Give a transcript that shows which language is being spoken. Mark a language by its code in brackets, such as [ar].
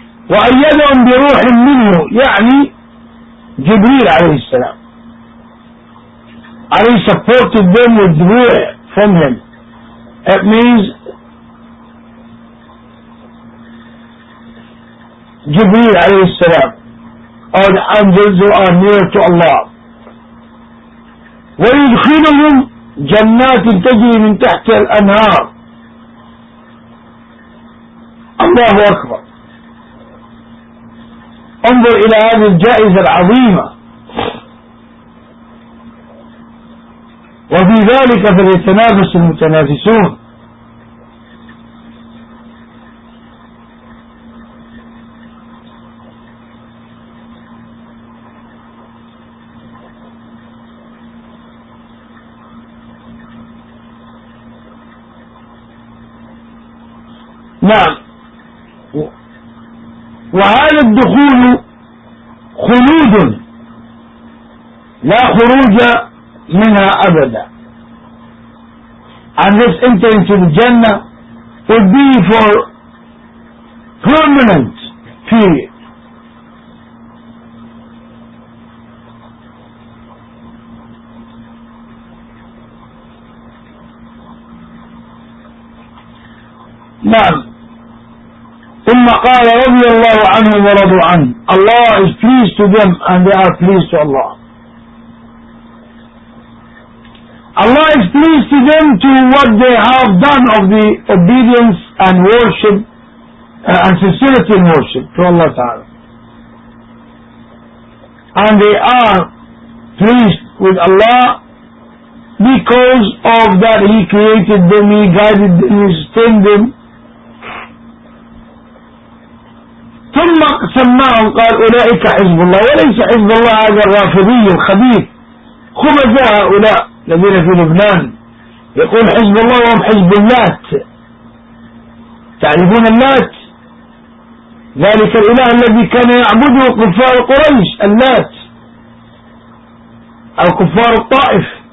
[ar] وأيدهم بروح منه يعني جبريل عليه السلام. [en] I supported them with ruh from him. It means [ar] جبريل عليه السلام [en] or the angels who are near to Allah. [ar] ويدخلهم جنات تجري من تحت الأنهار. الله أكبر. انظر إلى هذه الجائزة العظيمة. وفي ذلك فليتنافس المتنافسون. نعم. وهذا الدخول خلود لا خروج منها أبدا. [en] And this entry into the Jannah would be for permanent period. [ar] نعم. ثم قال رضي الله عنه ورضوا عنه. [en] Allah is pleased to them and they are pleased to Allah. Allah is pleased to them to what they have done of the obedience and worship and sincerity in worship to Allah Ta'ala. And they are pleased with Allah because of that He created them, He guided them, He sustained them. [ar] ثم سماهم قال أولئك حزب الله. وليس حزب الله هذا الرافضي الخبيث خبزاء هؤلاء الذين في لبنان يقول حزب الله وهم حزب اللات. تعرفون اللات؟ ذلك الإله الذي كان يعبده كفار قريش اللات أو كفار الطائف.